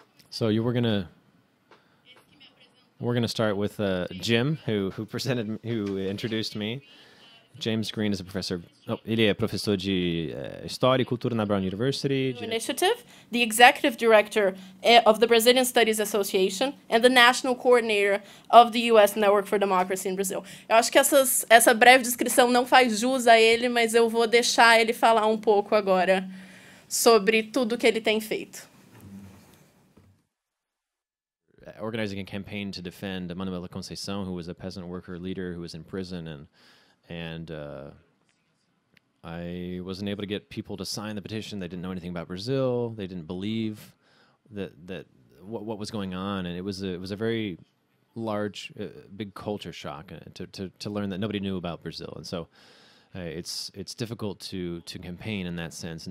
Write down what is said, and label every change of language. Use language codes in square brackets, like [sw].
[en] So we're gonna start with Jim, who introduced me. James Green is a professor. [pt] Oh, ele é professor de história e cultura na Brown University. [en] Initiative, the executive director of the Brazilian Studies Association and the national coordinator of the U.S. Network for Democracy in Brazil. [pt] Eu acho que essa breve descrição não faz jus a ele, mas eu vou deixar ele falar um pouco agora sobre tudo que ele tem feito. [en] Organizing a campaign to defend Manuel da Conceição, who was a peasant worker leader who was in prison, and I wasn't able to get people to sign the petition. They didn't know anything about Brazil. They didn't believe that what was going on, and it was a very large, big culture shock to learn that nobody knew about Brazil, and so it's difficult to campaign in that sense.